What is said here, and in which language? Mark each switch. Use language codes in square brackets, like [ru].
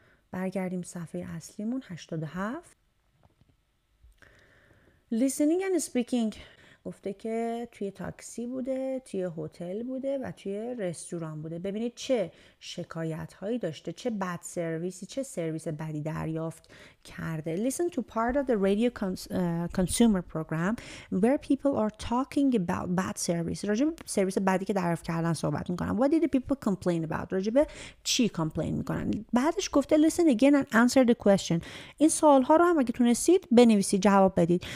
[fa] برگردیم صفحه اصلیمون 87. [en] listening and speaking. [fa] گفته که توی تاکسی بوده، توی هتل بوده و توی رستوران بوده. ببینید چه شکایت هایی داشته، چه بد سرویسی، چه سرویس بدی دریافت کرده. [en] Listen to part of the radio consumer program where people are talking about bad service. [fa] راجب سرویس بدی که دریافت کردن صحبت میکنن. [en] What did the people complain about؟ [fa] راجب چی کامپلین میکنن؟ بعدش گفته [en] listen again and answer the question. [fa] این سوال ها رو هم اگه تونستید بنویسید، جواب بدید.